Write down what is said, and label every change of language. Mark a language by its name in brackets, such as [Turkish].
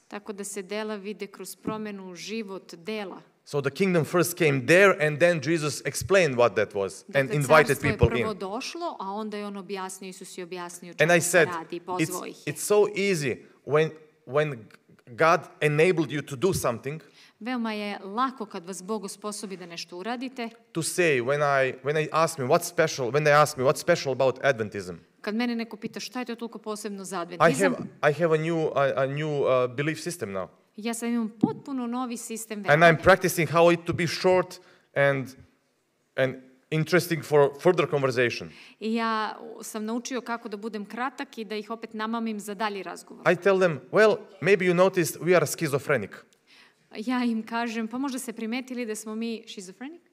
[Serbian] Tako da se dela vide kroz promjenu život dela. [English] So the kingdom first came there and then Jesus explained what that was and invited people in. [Serbian] Carstvo je prvo došlo, a onda je on objasnio, Isus je objasnio čemu se radi, pozvao ih. [English] It's so easy when God enabled you to do something. [Serbian] Veoma je lako kad vas Bog osposobi da nešto uradite. [English] To say when I ask me what's special, when they ask me what's special about Adventism. [Serbian] Kad mene neko pita šta je to toliko posebno za Adventizam. [English] I have a new belief system now. [Serbian] Ja sam imam potpuno novi sistem vere. [English] And I'm practicing how it to be short and interesting for further conversation. [Serbian] I ja sam naučio kako da budem kratak i da ih opet namamim za dalji razgovor. [English] I tell them, well, maybe you noticed we are schizophrenic. [Serbian] Ja im kažem, pa možda se primetili da smo mi schizophrenic?